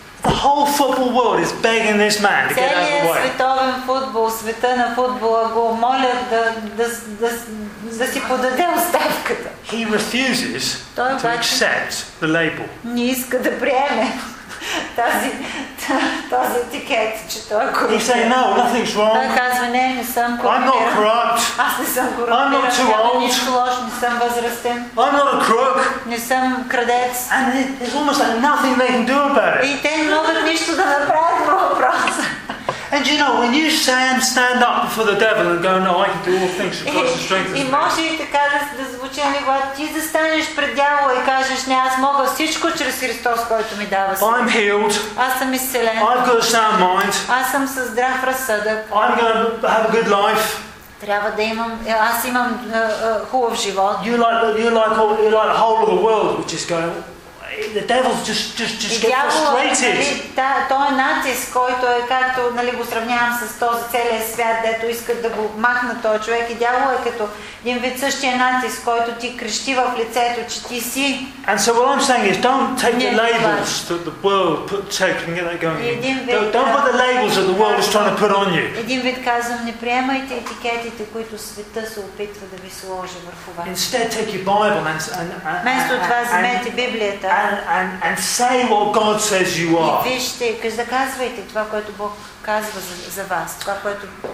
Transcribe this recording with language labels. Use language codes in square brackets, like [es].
[en] The whole football world is begging this man to get out of the way. [bg] Целият световен футбол, света на футбола го молят да си подаде оставката. [en] He refuses to accept the label. [bg] Не иска да приеме тази етикет, че той е корумпиран. [en] He said, no, nothing's wrong. [bg] Той казва, не, не съм корумпиран. [en] I'm not corrupt. [bg] Аз не съм корумпиран. [en] I'm not too old. [bg] Няма нищо лошо, не съм възрастен. [en] I'm not a crook. [bg] Не съм крадец. [en] And it's almost like nothing they can do about it. [bg] И те не могат нищо да направят по въпроса. [en] And you know, when you stand up before the devil and go, no, I can do all things through Christ who strengthens me. [bg] И може да кажеш да звучи, нали, когато ти застанеш пред дявола и кажеш, не, аз мога всичко чрез Христос, който ми дава сила. [en] I'm healed. [bg] Аз съм изцелен. [en] I've got a sound mind. [bg] Аз съм със здрав разсъдък. [en] I'm going to have a good life. [bg] Трябва да имам, аз имам хубав живот. [en] You like the whole of the world, which is going. The devil just gets frustrated. [bg] Нали, го сравнявам с този целия свят, дето искат да го махнат този човек. И дявол е като един вид същия натиск, който ти крещи в лицето, че ти си. [en] And so what I'm saying is, don't take the labels that the world put taking that going. Don't put the labels that the world is trying to put on you. [bg] Един вид казвам, не приемайте етикетите, които света се опитва да ви сложи върху вас. [en] Instead, take your Bible and [bg] вместо това вземете Библията. [en] And say what God says you are. [bg] И вижте, казвайте това, което Бог казва за вас, това, което.